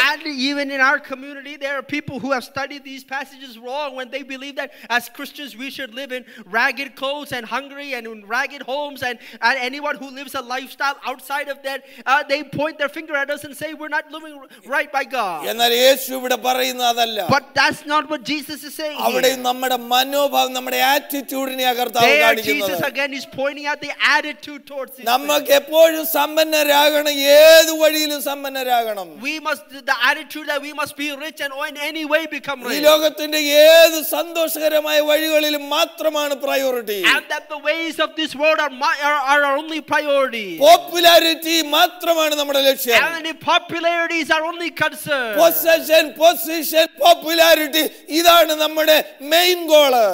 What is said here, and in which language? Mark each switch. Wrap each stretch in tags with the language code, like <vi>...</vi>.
<en>and even in our community there are people who have studied these passages wrong when they believe that as Christians we should live in ragged clothes and hungry and in ragged homes, and anyone who lives a lifestyle outside of that, they point their finger at us and say we're not living right by God.</en> <ml>എന്നാൽ യേശു ഇവിടെ പറയുന്നതല്ല,</ml> <en>but that's not what Jesus is saying.</en> <ml>അവിടെ നമ്മുടെ മനോഭാവം നമ്മുടെ ആറ്റിറ്റ്യൂഡിനെ കർത്താവ് കാണിക്കുന്നു.</ml> <en>Jesus again is pointing at the attitude towards him.</en> <ml>നമുക്ക് എപ്പോഴും സമ്പന്നരാകണം, ഏത് വഴിയിലും സമ്പന്നരാകണം.</ml> <en>We must, the attitude that we must be rich and in any way become rich.</en> <ml>ഈ ലോകത്തിന്റെ ഏത് സന്തോഷകരമായ വഴികളിലും മാത്രമാണ് priority,</ml> <en>and that the ways of this world are my, are our only priority.</en> <ml>Popularity മാത്രമാണ് നമ്മുടെ ലക്ഷ്യം,</ml> <en>and the popularities are only concern.</en> <ml>Possession popularity ഇതാണ് നമ്മുടെ മെയിൻ ഗോൾ,</ml>